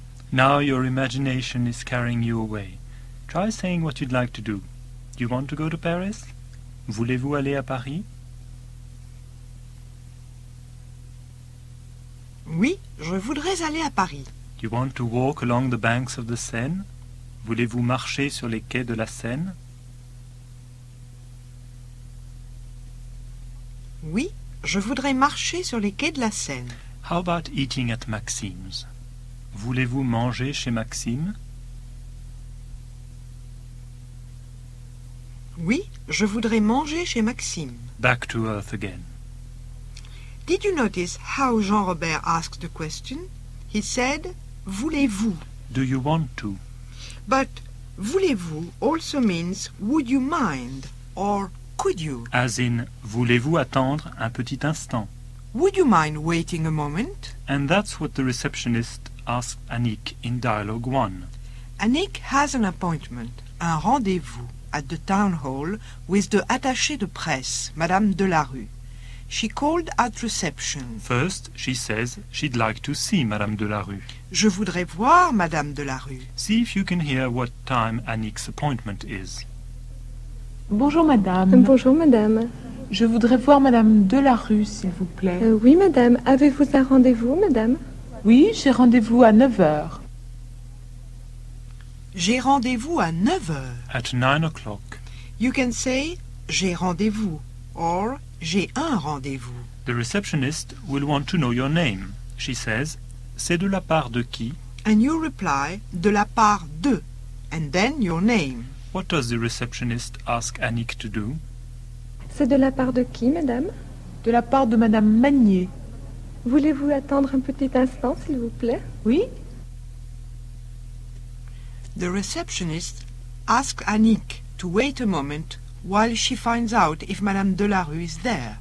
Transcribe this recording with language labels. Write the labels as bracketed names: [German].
[English] Now your imagination is carrying you away. Try saying what you'd like to do. Do you want to go to Paris? [French] Voulez-vous aller à Paris? Oui, je voudrais aller à Paris. [English] Do you want to walk along the banks of the Seine? [French] Voulez-vous marcher sur les quais de la Seine? Oui, je voudrais marcher sur les quais de la Seine. [English] How about eating at Maxime's? [French] Voulez-vous manger chez Maxime? Oui, je voudrais manger chez Maxime. [English] Back to Earth again. Did you notice how Jean-Robert asked the question? He said, voulez-vous? Do you want to? But voulez-vous also means would you mind or could you? As in, [French] voulez-vous attendre un petit instant? [English] Would you mind waiting a moment? And that's what the receptionist asked Annick in dialogue one. Annick has an appointment, un rendez-vous, at the town hall with the attaché de presse, Madame Delarue. She called at reception. First, she says she'd like to see Madame Delarue. [French] Je voudrais voir Madame Delarue. [English] See if you can hear what time Annick's appointment is. [French] Bonjour madame. Bonjour madame. Je voudrais voir madame Delarue s'il vous plaît. Oui madame, avez-vous un rendez-vous madame? Oui, j'ai rendez-vous à 9h. J'ai rendez-vous à 9h. [English] At 9 o'clock. You can say [French] j'ai rendez-vous [English] or [French] j'ai un rendez-vous. [English] The receptionist will want to know your name. She says [French] c'est de la part de qui? [English] And you reply [French] de la part de [English] and then your name. What does the receptionist ask Annick to do? [French] C'est de la part de qui, madame? De la part de madame Magnier. Voulez-vous attendre un petit instant, s'il vous plaît? Oui. [English] The receptionist asks Annick to wait a moment while she finds out if madame Delarue is there.